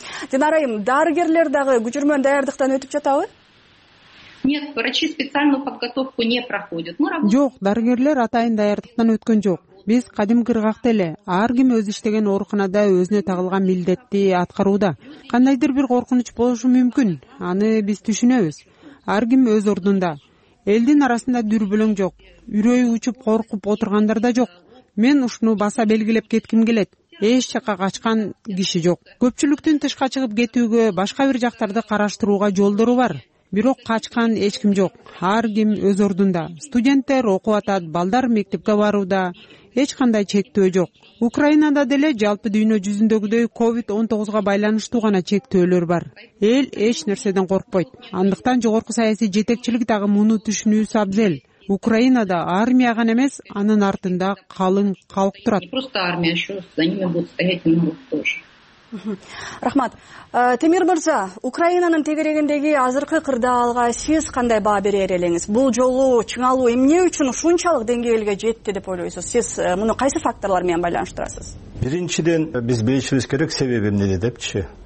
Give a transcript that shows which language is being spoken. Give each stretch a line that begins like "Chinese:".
Kyrgyz: Динара айым, дарыгерлер дагы күжүрмөн даярдыктан өтүп жатабы?
Russian: Нет, врачи специальную подготовку не проходят.
Kyrgyz: Жок, дарыгерлер атайын даярдыктан өткөн жок. Биз кадим кыргакта эле ар ким өз иштеген ооруканада өзүнө тагылган милдетти аткарууда. Кандайдыр бир коркунуч болушу мүмкүн, аны биз түшүнөбүз. Ар ким өз ордунда. Элдин арасында дүрбөлөң жок. Үрөй учуп коркуп отургандар да жок. Мен ушуну баса белгилеп кетким келет. Эч жака качкан киши жок. Көпчүлүктүн тышка чыгып кетүүгө, башка бир жактарды караштырууга жолдору бар. Бирок качкан эч ким жок. Ар ким өз ордунда. Студенттер окуп атат, балдар мектепке барууда. Эч кандай чектөө жок. Украинада деле жалпы дүйнө жүзүндөгүдөй COVID-19 байланыштуу гана чектөөлөр бар. Эл эч нерседен коркпойт. Андыктан жогорку саясий жетекчилик дагы муну түшүнүүсү абзел. Украинада армия гана эмес, анын артында калың калк турат.
Russian: Просто армия, ещё за ними будут стоять народ тоже.
Kyrgyz: Рахмат. Темир мырза, Украинанын тегерегиндеги азыркы кырдаалга сиз кандай баа берер элеңиз? Бул жолу чыңалуу эмне үчүн ушунчалык деңгээлге жетти деп ойлойсуз? Сиз муну кайсы факторлор менен байланыштырасыз? Биринчиден биз билишибиз керек себеби эмнеде депчи.